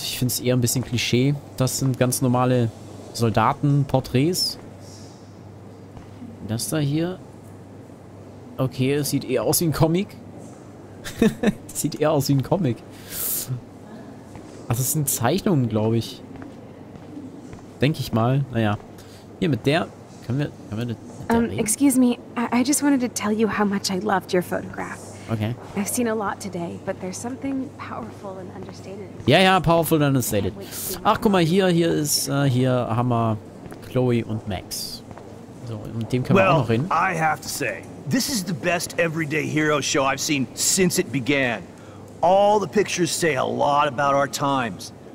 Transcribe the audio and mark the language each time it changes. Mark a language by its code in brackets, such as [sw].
[de] Ich finde es eher ein bisschen Klischee. Das sind ganz normale Soldatenporträts. Das da hier... Okay, es sieht eher aus wie ein Comic. Sieht eher aus wie ein Comic. Ach, das sind Zeichnungen, glaube ich. Denke ich mal. Naja. Hier mit der können wir mit der reden? [en] Excuse me. I just wanted to tell you how much I loved your photograph. Okay. I've seen a lot today, but there's something powerful and understated. [de] Ja, ja, [en] powerful and understated. [de] Ach, guck mal hier ist hier Hammer Chloe und Max. So, mit dem können [en] well, [de] wir auch noch reden. [en] I have to say. This is the best everyday hero show I've seen since it began. All the pictures say a lot about our times.